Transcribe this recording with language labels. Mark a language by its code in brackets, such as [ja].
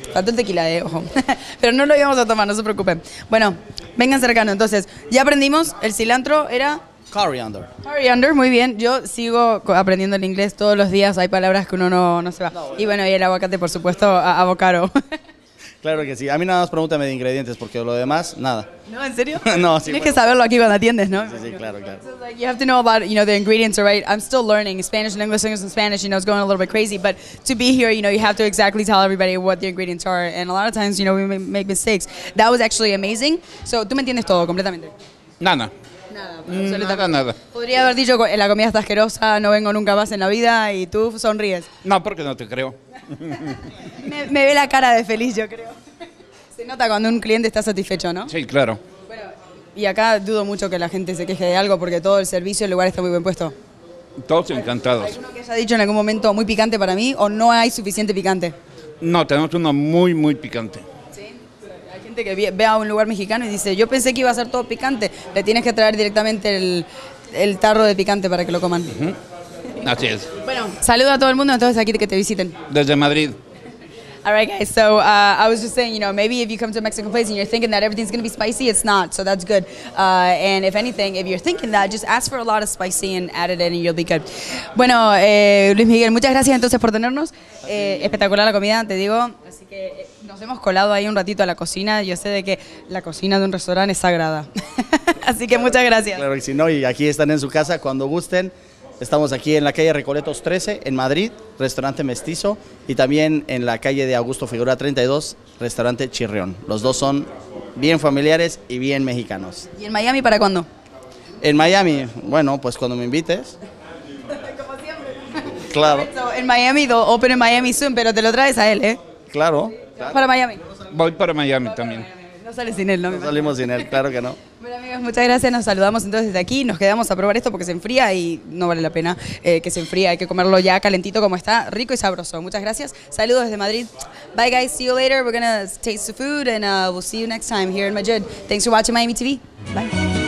[es] Falta el tequila, ojo. Pero no lo íbamos a tomar, no se preocupen. Bueno, vengan cercano, entonces, ya aprendimos, el cilantro era... [en] Coriander, [es] muy bien. Yo sigo aprendiendo el inglés todos los días. Hay palabras que uno no se va. Y bueno, y el aguacate, por supuesto, avocado. Claro que sí. A mí nada más pregúntame de ingredientes, porque lo demás, nada. No, ¿en serio? No, sí. Tienes que saberlo aquí cuando atiendes, ¿no? Sí, claro. [en] So it's like, you have to know about, you know, the ingredients, right? I'm still learning Spanish and English singers in Spanish, you know, it's going a little bit crazy. But to be here, you know, you have to exactly tell everybody what the ingredients are. And a lot of times, you know, we make mistakes. That was actually amazing. So, [es] ¿tú me entiendes todo completamente? Nada. Nada. Podría haber dicho, la comida está asquerosa, no vengo nunca más en la vida, y tú sonríes. No, porque no te creo. me ve la cara de feliz, yo creo. Se nota cuando un cliente está satisfecho, ¿no? Sí, claro. Bueno, y acá dudo mucho que la gente se queje de algo, porque todo el servicio, el lugar está muy bien puesto. Todos encantados. ¿Hay alguno que haya dicho en algún momento muy picante para mí, o no hay suficiente picante? No, tenemos uno muy, muy picante. Que ve a un lugar mexicano y dice, yo pensé que iba a ser todo picante, le tienes que traer directamente el tarro de picante para que lo coman. Uh-huh. Así es. Bueno, saludo a todo el mundo, entonces aquí que te visiten. Desde Madrid. [en] All right, guys, so I was just saying, you know, maybe if you come to a Mexican place and you're thinking that everything's going to be spicy, it's not, so that's good. And if anything, if you're thinking that, just ask for a lot of spicy and add it in and you'll be good. [es] Bueno, Luis Miguel, muchas gracias entonces por tenernos. Espectacular la comida, te digo. Así que nos hemos colado ahí un ratito a la cocina. Yo sé de que la cocina de un restaurante es sagrada. Así que claro, muchas gracias. Claro que sí, no, y aquí están en su casa cuando gusten. Estamos aquí en la calle Recoletos 13, en Madrid, restaurante Mestizo, y también en la calle de Augusto Figueroa 32, restaurante Chirrión. Los dos son bien familiares y bien mexicanos. ¿Y en Miami para cuándo? En Miami, bueno, pues cuando me invites. Como siempre. Claro. En Miami, [en] open in Miami soon, [es] pero te lo traes a él, ¿eh? Claro. ¿Para Miami? Voy para Miami también. No sales sin él, ¿no? No salimos sin él, claro que no. Bueno, amigos, muchas gracias. Nos saludamos entonces desde aquí. Nos quedamos a probar esto porque se enfría y no vale la pena que se enfría. Hay que comerlo ya calentito como está, rico y sabroso. Muchas gracias. Saludos desde Madrid. [en] Bye, guys. See you later. We're going to taste the food and we'll see you next time here in Madrid. Thanks for watching Miami TV. Bye.